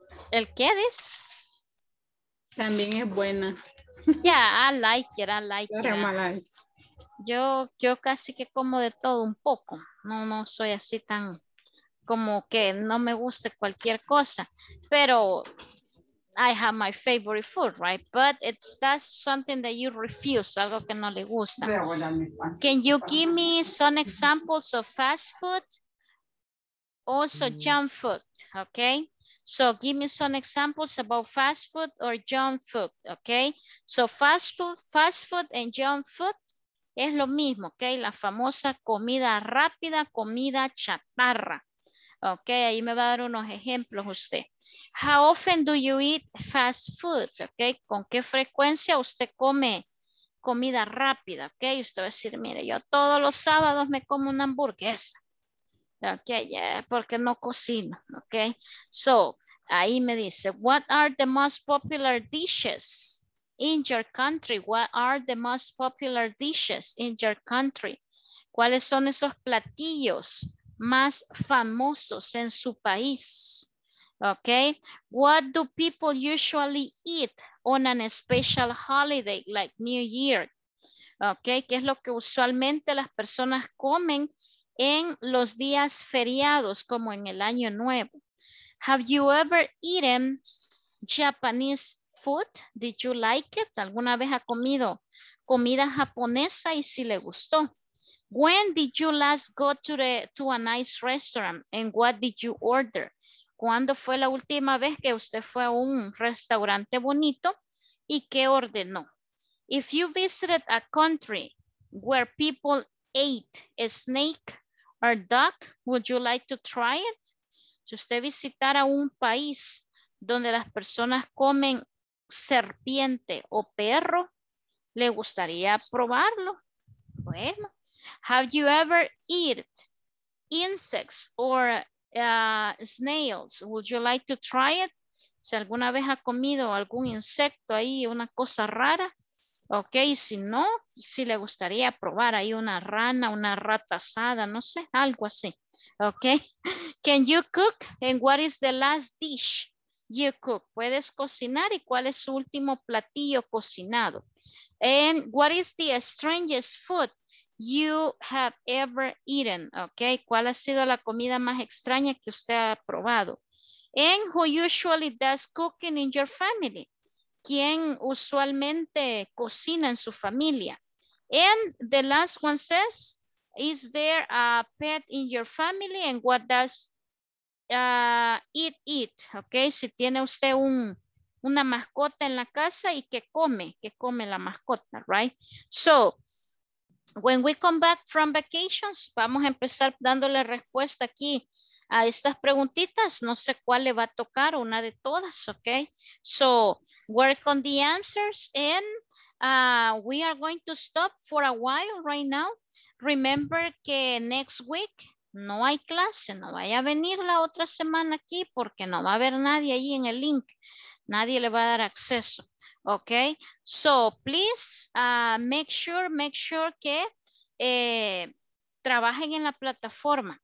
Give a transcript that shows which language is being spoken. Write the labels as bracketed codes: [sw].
[es] ¿El qué dices? También es buena. [en] Yeah, I like it. [es] La remolacha. Yo casi que como de todo un poco. No soy así tan, como que no me guste cualquier cosa. [en] Pero... I have my favorite food, right? But it's that's something that you refuse, [es] algo que no le gusta. [en] Can you give me some examples of fast food? Also junk food, okay? So give me some examples about fast food or junk food, okay? So fast food and junk food [es] es lo mismo, [en] okay? [es] La famosa comida rápida, comida chatarra. Okay, ahí me va a dar unos ejemplos usted. [en] How often do you eat fast food? [es] Okay, ¿con qué frecuencia usted come comida rápida? Okay, usted va a decir, mire, yo todos los sábados me como una hamburguesa. Okay, yeah, porque no cocino. [en] Okay, so [es] ahí me dice, [en] what are the most popular dishes in your country? What are the most popular dishes in your country? [es] ¿Cuáles son esos platillos más famosos en su país? [en] Okay, what do people usually eat on an special holiday like New Year? [es] Okay, ¿qué es lo que usualmente las personas comen en los días feriados como en el año nuevo? [en] Have you ever eaten Japanese food? Did you like it? [es] ¿Alguna vez ha comido comida japonesa y si le gustó? [en] When did you last go to a nice restaurant and what did you order? [es] ¿Cuándo fue la última vez que usted fue a un restaurante bonito y qué ordenó? [en] If you visited a country where people ate a snake or duck, would you like to try it? [es] Si usted visitara un país donde las personas comen serpiente o perro, ¿le gustaría probarlo? Bueno. [en] Have you ever eaten insects or snails? Would you like to try it? [es] Si alguna vez ha comido algún insecto ahí, una cosa rara. Ok, si no, si le gustaría probar ahí una rana, una rata asada, no sé, algo así. [en] Ok. Can you cook? And what is the last dish you cook? [es] ¿Puedes cocinar? ¿Y cuál es su último platillo cocinado? [en] And what is the strangest food you have ever eaten? [es] Okay, ¿cuál ha sido la comida más extraña que usted ha probado? [en] And who usually does cooking in your family? [es] ¿Quién usualmente cocina en su familia? [en] And the last one says, is there a pet in your family and what does it eat? [es] Okay, si tiene usted una mascota en la casa y qué come la mascota, right? So, [en] when we come back from vacations, [es] vamos a empezar dándole respuesta aquí a estas preguntitas. No sé cuál le va a tocar, una de todas, ¿ok? [en] So, work on the answers and we are going to stop for a while right now. [es] Remember que [en] next week [es] no hay clase, no vaya a venir la otra semana aquí porque no va a haber nadie ahí en el link. Nadie le va a dar acceso. Okay, [en] so please make sure [es] que trabajen en la plataforma.